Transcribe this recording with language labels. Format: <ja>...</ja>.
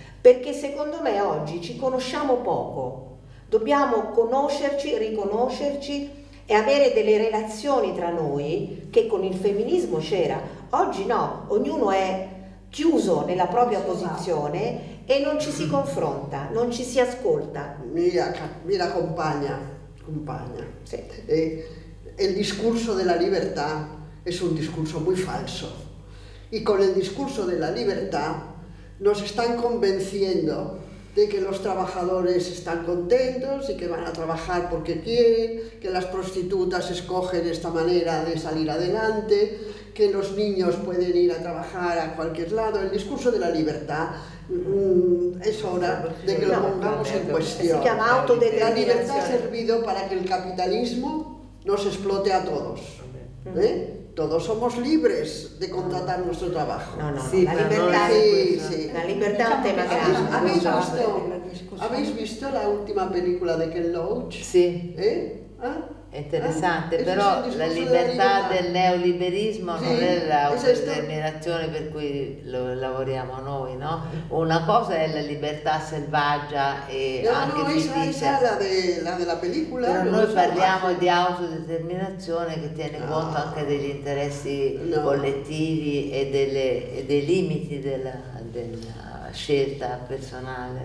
<it>Perché secondo me oggi ci conosciamo poco, dobbiamo conoscerci, riconoscerci e avere delle relazioni tra noi, che con il femminismo c'era, oggi no, ognuno è chiuso nella propria posizione e non ci si confronta, non ci si ascolta. Mi raccompagna, compagna. Sì. E il discorso della libertà è un discorso molto falso. E con il discorso della libertà</it> <es>nos están convenciendo de que los trabajadores están contentos y que van a trabajar porque quieren, que las prostitutas escogen esta manera de salir adelante, que los niños pueden ir a trabajar a cualquier lado. El discurso de la libertad es hora de que lo pongamos en cuestión. Se llama autodeterminación. La libertad ha servido para que el capitalismo nos explote a todos. ¿Eh? Todos somos libres de contratar nuestro trabajo. La libertad es un tema grande. ¿Habéis visto la última película de Ken Loach? Sí. ¿Eh? ¿Ah?</es> <it>Interessante, però la libertà del neoliberismo non è l'autodeterminazione per cui lavoriamo noi, no? Una cosa è la libertà selvaggia e anche giustizia. La della pellicola. Noi parliamo di autodeterminazione che tiene conto anche degli interessi collettivi e dei limiti della scelta personale.</it>